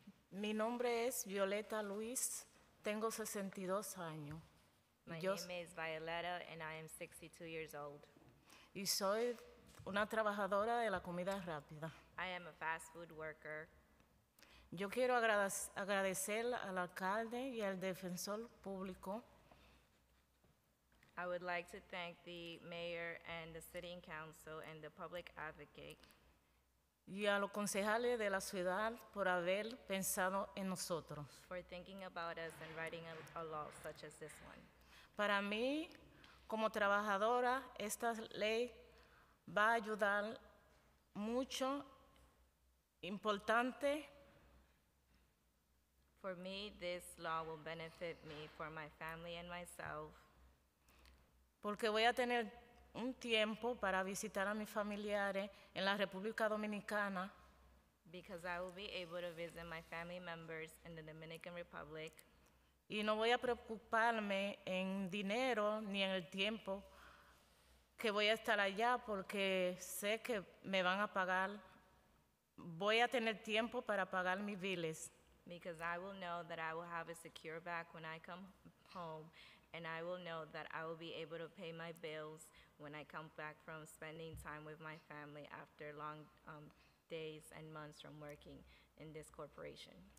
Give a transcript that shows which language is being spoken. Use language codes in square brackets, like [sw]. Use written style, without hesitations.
[es] Mi nombre es Violeta Luis. Tengo 62 años. [en] My name is Violeta, and I am 62 years old. [es] Y soy una trabajadora de la comida rápida. [en] I am a fast food worker. [es] Yo quiero agradecer al alcalde y al defensor público. [en] I would like to thank the mayor and the city council and the public advocate. [es] Y a los concejales de la ciudad por haber pensado en nosotros. [en] For thinking about us and writing a law such as this one. [es] Para mí, como trabajadora, esta ley va a ayudar mucho, importante. [en] For me, this law will benefit me, for my family and myself. [es] Porque voy a tener un tiempo para visitar a mis familiares en la República Dominicana. [en] Because I will be able to visit my family members in the Dominican Republic. [es] Y no voy a preocuparme en dinero ni en el tiempo que voy a estar allá porque sé que me van a pagar. Voy a tener tiempo para pagar mis biles. [en] Because I will know that I will have a secure back when I come home, and I will know that I will be able to pay my bills when I come back from spending time with my family after long days and months from working in this corporation.